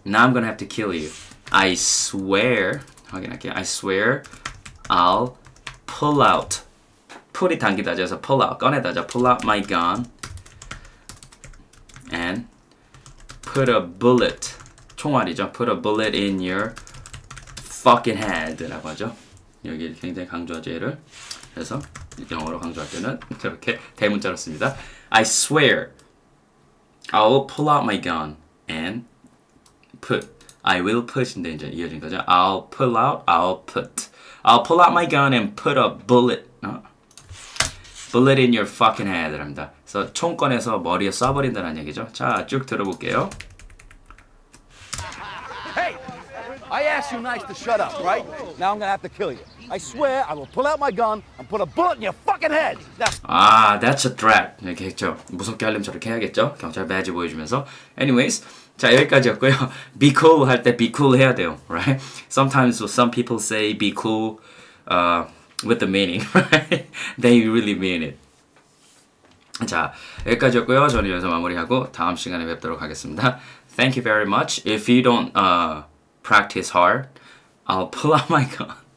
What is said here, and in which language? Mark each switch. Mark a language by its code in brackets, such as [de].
[en] Now I'm gonna have to kill you. I swear, [ko] 확인할게요. [en] I swear I'll pull out. Put이 [ko] 당기다죠. 그래서 [en] pull out, [ko] 꺼내다죠. [en] Pull out my gun and put a bullet, [ko] 총알이죠. [en] Put a bullet in your fucking head [ko] 라고 하죠. 여기 굉장히 강조하죠, 얘를. 그래서 영어로 강조할 때는 저렇게 대문자로 씁니다. [en] I swear I will pull out my gun and put. I will put인데 [ko] 이제 이어진 거죠. [en] I'll pull out, I'll put. I'll pull out my gun and put a bullet. Bullet in your fucking head랍니다. [ko] 그래서 총 꺼내서 머리에 쏴버린다는 얘기죠. 자, 쭉 들어볼게요. [en] I asked you nice to shut up, right? Now I'm gonna have to kill you. I swear I will pull out my gun and put a bullet in your fucking head. Ah, that's a threat. [ko] 이렇게 했죠. 무섭게 하려면 저렇게 해야겠죠. 경찰 배지 보여주면서. [en] Anyways, [ko] 자 여기까지였고요. [en] Be cool [ko] 할 때 [en] be cool [ko] 해야 돼요, [en] right? Sometimes some people say be cool with the meaning, right? They really mean it. [ko] 자, 여기까지였고요. 저는 여기서 마무리하고 다음 시간에 뵙도록 하겠습니다. [en] Thank you very much. If you don't practice hard, I'll pull out my gun.